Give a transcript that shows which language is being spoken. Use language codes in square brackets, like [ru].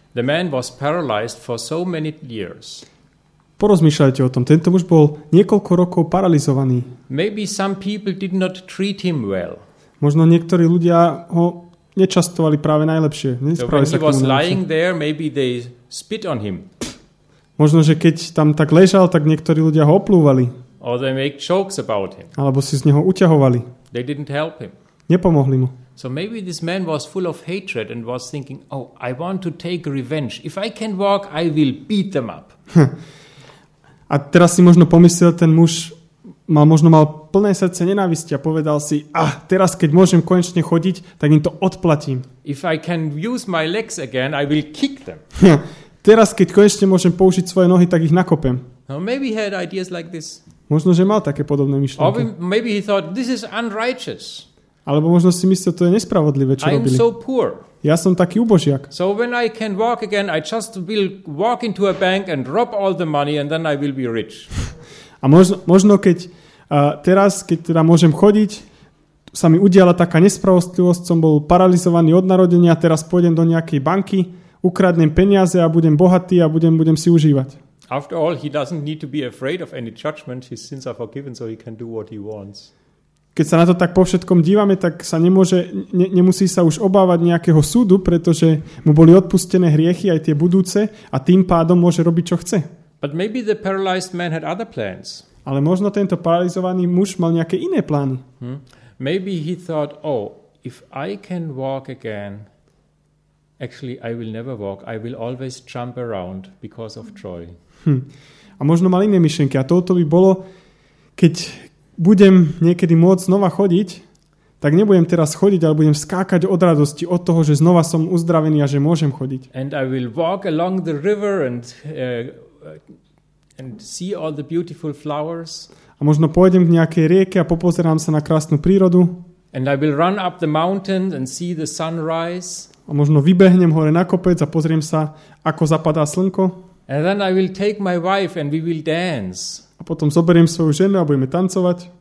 [en] The man was paralyzed for so many years. [sk] Porozmýšľajte o tom. Tento muž bol niekoľko rokov paralyzovaný. [en] Maybe some people did not treat him well. [sk] Možno niektorí ľudia ho nečastovali práve najlepšie. Nespravili sa k nemu [en] lying there, maybe they spit on him. [sk] Možno, že keď tam tak ležal, tak niektorí ľudia ho oplúvali. [en] Or they make jokes about him. [sk] Alebo si z neho uťahovali. [en] They didn't help him. [sk] Nepomohli mu. [en] So maybe this man was full of hatred and was thinking, oh, I want to take revenge. If I can walk, I will beat them up. [sk] A teraz si možno pomyslel, ten muž mal plné srdce nenávisti a povedal si, teraz keď môžem konečne chodiť, tak im to odplatím. [en] If I can use my legs again, I will kick them. [sk] Teraz, keď konečne môžem použiť svoje nohy, tak ich nakopem. [en] Well, maybe he had ideas like this. [sk] Možno, že mal také podobné myšlienky. [en] Maybe he thought, this is unrighteous. [sk] Alebo možno si myslel, to je nespravodlivé, čo robili. [en] I am so poor. [sk] Ja som taký ubožiak. [en] So when I can walk again, I just will walk into a bank and rob all the money and then I will be rich. [sk] A možno keď teraz, keď teda môžem chodiť, sa mi udiala taká nespravodlivosť, som bol paralizovaný od narodenia, teraz pôjdem do nejakej banky, ukradnem peniaze a budem bohatý a budem si užívať. [en] After all, he doesn't need to be afraid of any judgment. His sins are forgiven, so he can do what he wants. [sk] Keď sa na to tak po všetkom dívame, tak sa nemôže, nemusí sa už obávať nejakého súdu, pretože mu boli odpustené hriechy aj tie budúce a tým pádom môže robiť, čo chce. [en] But maybe the paralyzed man had other plans. [sk] Ale možno tento paralyzovaný muž mal nejaké iné plány. [en] Maybe he thought, oh, if I can walk again, actually I will never walk, I will always jump around because of joy. [sk] A možno mal iné myšlenky. A toto by bolo, keď budem niekedy môcť znova chodiť, tak nebudem teraz chodiť, ale budem skákať od radosti, od toho, že znova som uzdravený a že môžem chodiť. [en] And I will walk along the river and see all the beautiful flowers. [sk] A možno pôjdem k nejakej rieke a popozerám sa na krásnu prírodu. [en] And I will run up the mountain and see the sunrise. [sk] A možno vybehnem hore na kopec a pozriem sa, ako zapadá slnko. [en] And then I will take my wife and we will dance. [sk] A potom zoberiem svoju ženu a budeme tancovať.